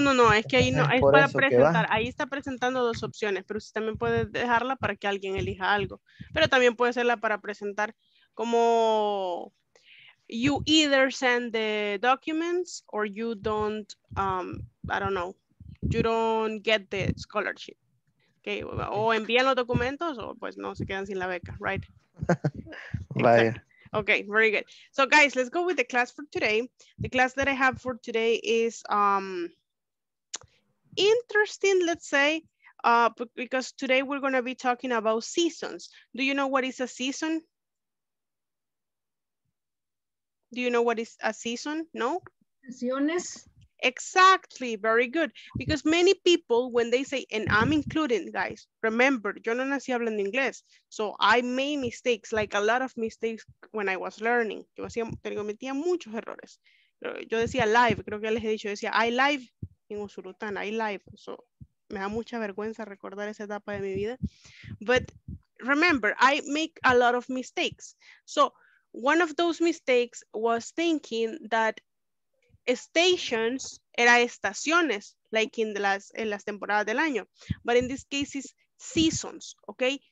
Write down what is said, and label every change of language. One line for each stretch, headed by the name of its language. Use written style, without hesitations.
Spanish: No, es que ahí no, es para presentar, ahí está presentando dos opciones, pero usted también puede dejarla para que alguien elija algo, pero también puede serla para presentar como
English: you either send the documents or you don't, I don't know, you don't get the scholarship,
Spanish: okay. O envían los documentos o pues no, se quedan sin la beca,
English: right?
Spanish: Vaya.
English: Okay, very good. So guys, let's go with the class for today. The class that I have for today is interesting, let's say, because today we're gonna be talking about seasons. Do you know what is a season? Do you know what is a season? No? Seasons. Exactly, very good. Because many people, when they say, and I'm included, guys, remember,
Spanish: yo no nací hablando inglés.
English: So I made mistakes, like a lot of mistakes when I was learning.
Spanish: Yo hacía, cometía muchos errores. Yo decía live, creo que ya les he dicho, decía
English: I live
Spanish: en Usulután, I live. So me da mucha vergüenza recordar esa etapa de mi vida.
English: But remember, I make a lot of mistakes. So one of those mistakes was thinking that stations
Spanish: era estaciones,
English: like in
Spanish: las temporadas del año,
English: but in this case is seasons, okay?